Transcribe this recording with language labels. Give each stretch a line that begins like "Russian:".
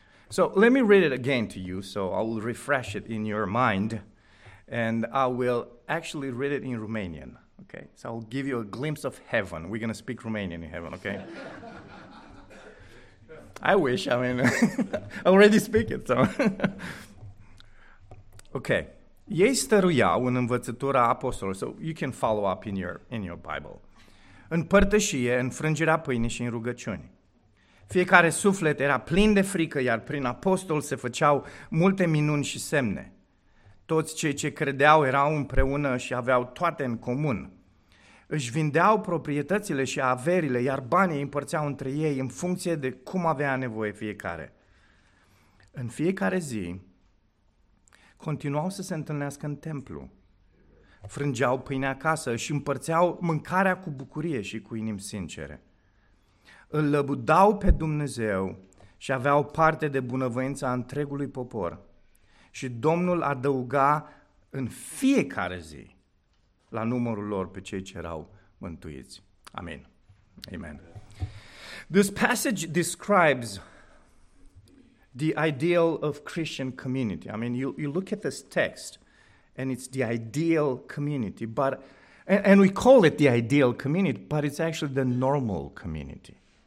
English: So let me read it again to you, so I will refresh it in your mind, and I will actually read it in Romanian, okay? So I'll give you a glimpse of heaven. We're going to speak Romanian in heaven, okay? I wish, I mean, I already speak it, so. Okay.
Romanian: Ei stăruiau în învățătura apostolilor,
English: so you can follow up in your Bible,
Romanian: în părtășie, în frângerea pâinii și în rugăciuni. Fiecare suflet era plin de frică, iar prin apostol se făceau multe minuni și semne. Toți cei ce credeau erau împreună și aveau toate în comun. Își vindeau proprietățile și averile, iar banii împărțeau între ei în funcție de cum avea nevoie fiecare. În fiecare zi continuau să se întâlnească în templu. Frângeau pâinea acasă și împărțeau mâncarea cu bucurie și cu inimi sincere. Îl lăbudau pe Dumnezeu și aveau parte de bunăvoința întregului popor. Și Domnul adăuga în fiecare zi la numărul lor pe cei ce erau mântuiți. Amen. Amen.
English: This passage describes the ideal of Christian community. I mean, you look at this text and it's the ideal community, but and we call it the ideal community, but it's actually the normal community.